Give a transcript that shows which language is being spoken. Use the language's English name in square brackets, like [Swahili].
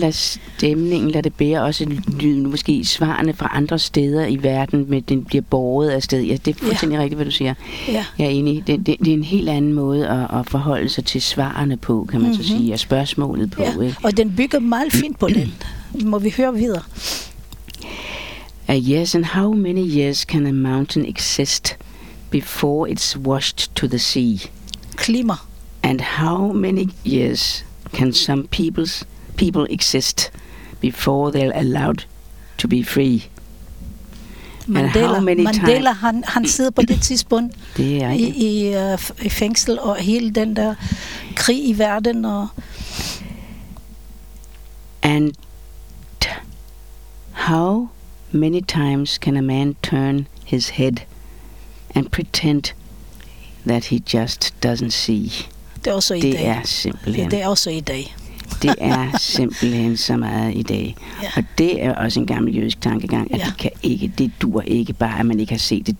[Danish] Lad stemningen, lad det bære også lyden, måske svarene fra andre steder i verden, men den bliver båret af sted. Ja, det er fuldstændig rigtigt, hvad du siger. Ja. Jeg er enig. Det er en helt anden måde at forholde sig til svarene på, kan man så sige, og spørgsmålet på. Ja. Ikke? Og den bygger meget fint på den. Må vi høre videre. [English] Yes, and how many years can a mountain exist before it's washed to the sea? [Danish] Klima. [English] And how many years can some people exist before they're allowed to be free? Mandela, and how many Mandela time... [Danish] han sidder på det tidspunkt det er i fængsel, og hele den der krig i verden. Og... [English] And how many times can a man turn his head and pretend that he just doesn't see? [Danish] Det er også i det dag. Er simpelthen. Det er også i dag. Det er simpelthen så meget i dag. [English] Yeah. [Danish] Og det er også en gammel jødisk tankegang, at det kan ikke, det dur ikke bare, at man ikke har set det.